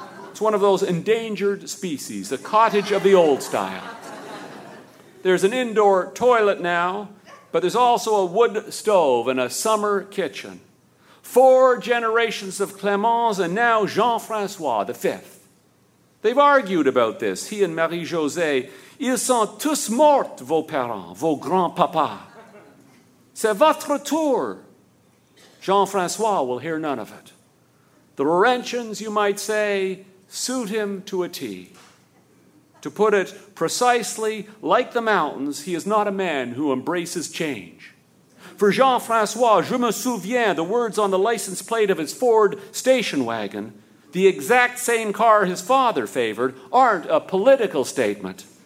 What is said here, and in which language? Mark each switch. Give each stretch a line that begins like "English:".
English: It's one of those endangered species, a cottage of the old style. There's an indoor toilet now, but there's also a wood stove and a summer kitchen. four generations of Clemence, and now Jean-François the Fifth. They've argued about this, he and Marie-Josée.
French: Ils sont tous morts, vos parents, vos grands-papas. C'est votre tour.
English: Jean-François will hear none of it. The Laurentians, you might say, suit him to a T. To put it precisely, like the mountains, he is not a man who embraces change. For Jean-François,
French: je me souviens,
English: the words on the license plate of his Ford station wagon, the exact same car his father favored, aren't a political statement.